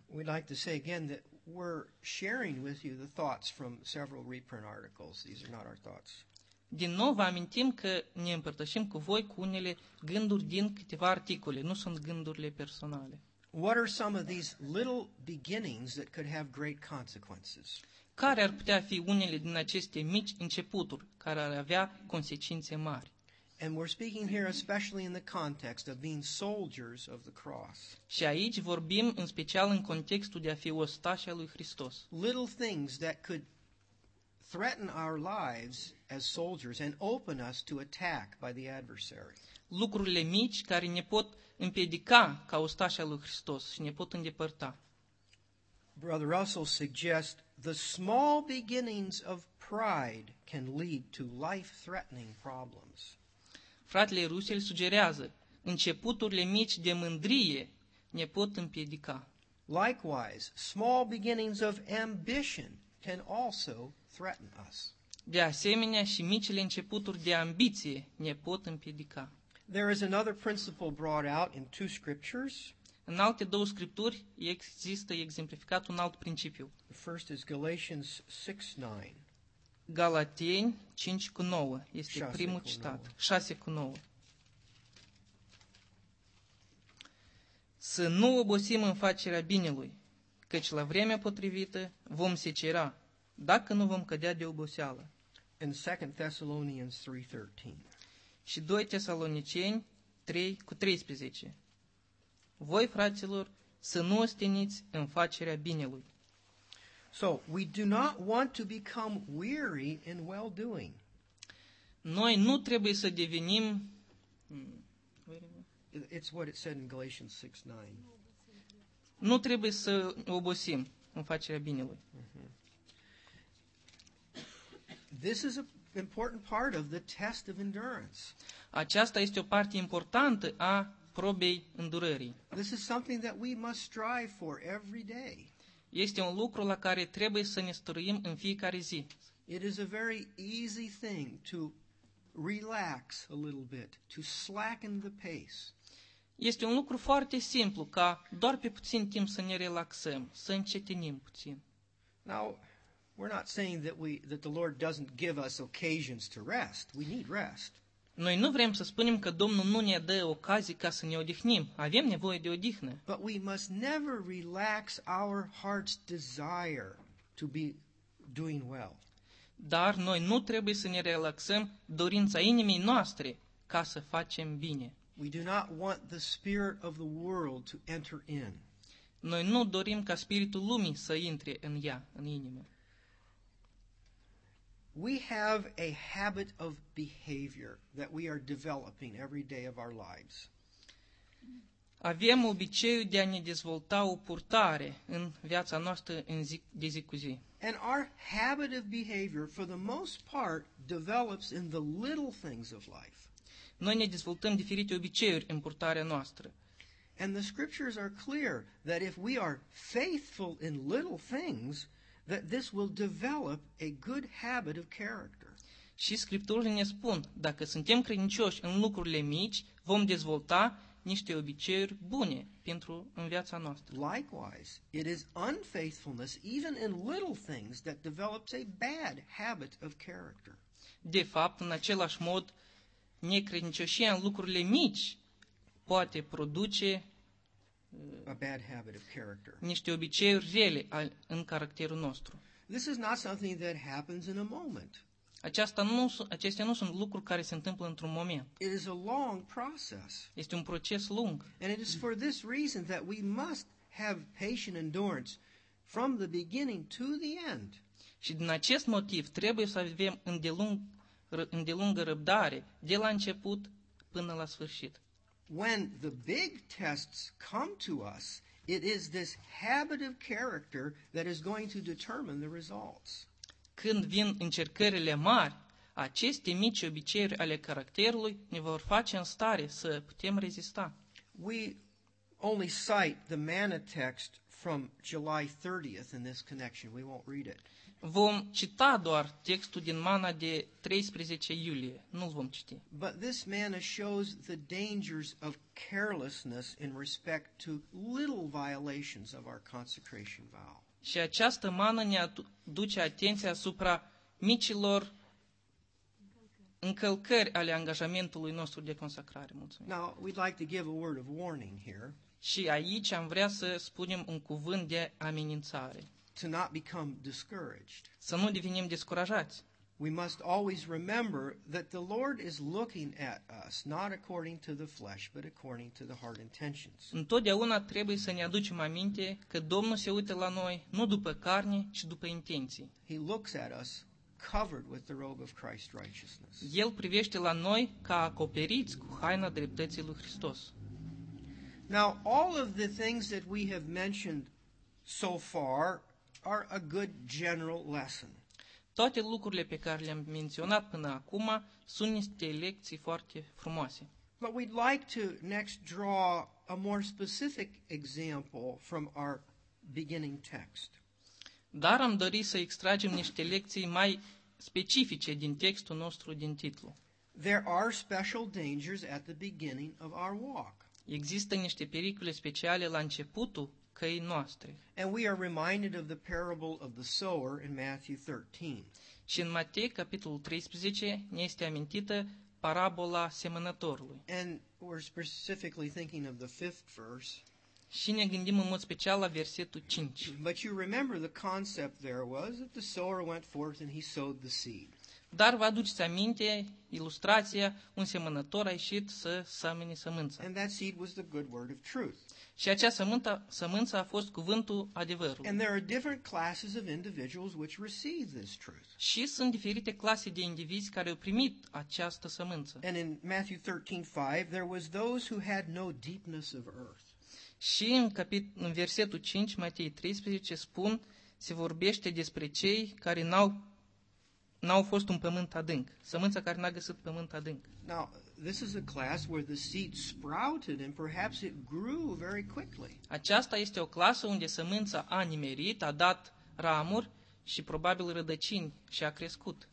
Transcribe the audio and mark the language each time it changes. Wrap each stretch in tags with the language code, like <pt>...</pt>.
<en>We'd like to say again that we're sharing with you the thoughts from several reprint articles. These are not our thoughts.</en> <ro>Din nou vă amintim că ne împărtășim cu voi cu unele gânduri din câteva articole, nu sunt gândurile personale.</ro> <en>What are some of these little beginnings that could have great consequences?</en> <ro>Care ar putea fi unele din aceste mici începuturi care ar avea consecințe mari?</ro> <en>And we're speaking here especially in the context of being soldiers of the cross.</en> <ro>Și aici vorbim în special în contextul de a fi ostași al lui Hristos.</ro> <en>Little things that could threaten our lives as soldiers and open us to attack by the adversary.</en> <ro>Lucrurile mici care ne pot împiedica ca ostași al lui Hristos și ne pot îndepărta.</ro> <en>Brother Russell suggests the small beginnings of pride can lead to life-threatening problems.</en> <ro>Fratele Russell sugerează, începuturile mici de mândrie ne pot împiedica.</ro> <en>Likewise, small beginnings of ambition can also threaten us.</en> <ro>De asemenea, și micile începuturi de ambiție ne pot împiedica.</ro> <en>There is another principle brought out in two scriptures.</en> <ro>În alte două scripturi există exemplificat un alt principiu.</ro> <en>The first is Galatians 6:9.</en> <ro>Galateni 5:9 este primul citat. 6:9. Să nu obosim în facerea binelui, căci la vremea potrivită vom secera, dacă nu vom cădea de oboseală.</ro> <en>In 2 Thessalonians 3:13.</en> <ro>Și 2 Tesaloniceni 3:13. Voi, fraților, să nu osteniți în facerea binelui.</ro> <en>So, we do not want to become weary in well-doing.</en> <ro>Noi nu trebuie să devenim...</ro> <en>It's what it said in Galatians 6:9.</en> <ro>Nu trebuie să obosim în facerea binelui.</ro> <en>This is an important part of the test of endurance.</en> <ro>Aceasta este o parte importantă a probei îndurării.</ro> <en>This is something that we must strive for every day.</en> <ro>Este un lucru la care trebuie să ne străduim în fiecare zi.</ro> <en>It is a very easy thing to relax a little bit, to slacken the pace.</en> <ro>Este un lucru foarte simplu ca doar pe puțin timp să ne relaxăm, să încetinim puțin.</ro> <en>Now, we're not saying that the Lord doesn't give us occasions to rest. We need rest.</en> <ro>Noi nu vrem să spunem că Domnul nu ne dă ocazii ca să ne odihnim. Avem nevoie de odihnă.</ro> <en>But we must never relax our heart's desire to be doing well.</en> <ro>Dar noi nu trebuie să ne relaxăm dorința inimii noastre ca să facem bine.</ro> <en>We do not want the spirit of the world to enter in.</en> <ro>Noi nu dorim ca spiritul lumii să intre în ea, în inimă.</ro> <en>We have a habit of behavior that we are developing every day of our lives.</en> <ro>Avem obiceiul de a ne dezvolta o purtare în viața noastră în zi, de zi cu zi.</ro> <en>And our habit of behavior, for the most part, develops in the little things of life.</en> <ro>Noi ne dezvoltăm diferite obiceiuri în purtarea noastră.</ro> <en>And the scriptures are clear that if we are faithful in little things, that this will develop a good habit of character.</en> <ro>Și scripturile ne spun, dacă suntem credincioși în lucrurile mici, vom dezvolta niște obiceiuri bune pentru în viața noastră.</ro> <en>Likewise, it is unfaithfulness even in little things that develops a bad habit of character.</en> <ro>De fapt, în același mod, necredincioșia în lucrurile mici poate produce</ro> <en>a bad habit of character.</en> <ro>Niște obiceiuri rele în caracterul nostru.</ro> <en>This is not something that happens in a moment.</en> <ro>Acestea nu sunt lucruri care se întâmplă într-un moment.</ro> <en>It is a long process.</en> <ro>Este un proces lung.</ro> <en>And it is for this reason that we must have patient endurance from the beginning to the end.</en> <ro>Și din acest motiv trebuie să avem îndelungă răbdare de la început până la sfârșit.</ro> <en>When the big tests come to us, it is this habit of character that is going to determine the results.</en> <ro>Când vin încercările mari, aceste mici obiceiuri ale caracterului ne vor face în stare să putem rezista.</ro> <en>We only cite the manna text from July 30th in this connection. We won't read it.</en> <ro>Vom cita doar textul din mana de 13 iulie, nu-l vom citi.</ro> <en>But this manna shows the dangers of carelessness in respect to little violations of our consecration vow.</en> <ro>Și această mană ne aduce atenția asupra micilor încălcări ale angajamentului nostru de consacrare. Mulțumim.</ro> <en>Now, we'd like to give a word of warning here.</en> <ro>Și aici am vrea să spunem un cuvânt de amenințare.</ro> <en>To not become discouraged.</en> <ro>Să nu devenim descurajați.</ro> <en>We must always remember that the Lord is looking at us not according to the flesh, but according to the heart intentions.</en> <ro>Întotdeauna trebuie să ne aducem aminte că Domnul se uită la noi nu după carne, ci după intenții.</ro> <en>He looks at us covered with the robe of Christ's righteousness.</en> <ro>El privește la noi ca acoperiți cu haina dreptății lui Hristos.</ro> <en>Now, all of the things that we have mentioned so far are a good general lesson.</en> <ro>Toate lucrurile pe care le-am menționat până acum sunt niște lecții foarte frumoase.</ro> <en>But we'd like to next draw a more specific example from our beginning text.</en> <ro>Dar am dori să extragem niște lecții mai specifice din textul nostru din titlu.</ro> <en>There are special dangers at the beginning of our walk.</en> <ro>Există niște pericole speciale la începutul căii noastre.</ro> <en>And we are reminded of the parable of the sower in Matthew 13.</en> <ro>Și în Matei capitolul 13 ne este amintită parabola semănătorului.</ro> <en>And we're specifically thinking of the fifth verse.</en> <ro>Și ne gândim în mod special la versetul 5.</ro> <en>But you remember the concept there was that the sower went forth and he sowed the seed.</en> <ro>Dar vă aduceți aminte ilustrația, un semănător a ieșit să semene sămânța.</ro> <en>And that seed was the good word of truth.</en> <ro>Și acea sămânță a fost cuvântul adevărului.</ro> <en>And there are different classes of individuals which receive this truth.</en> <ro>Și sunt diferite clase de indivizi care au primit această sămânță.</ro> <en>And in Matthew 13:5 there was those who had no deepness of earth.</en> <ro>Și în versetul 5 Matei 13 spun se vorbește despre cei care n-au fost un pământ adânc, sămânța care n-a găsit pământ adânc.</ro> <en>Now, this is a class where the seed sprouted and perhaps it grew very quickly.</en> <ro>Aceasta este o clasă unde sămânța a nimerit, a dat ramuri și probabil rădăcini și a crescut.</ro>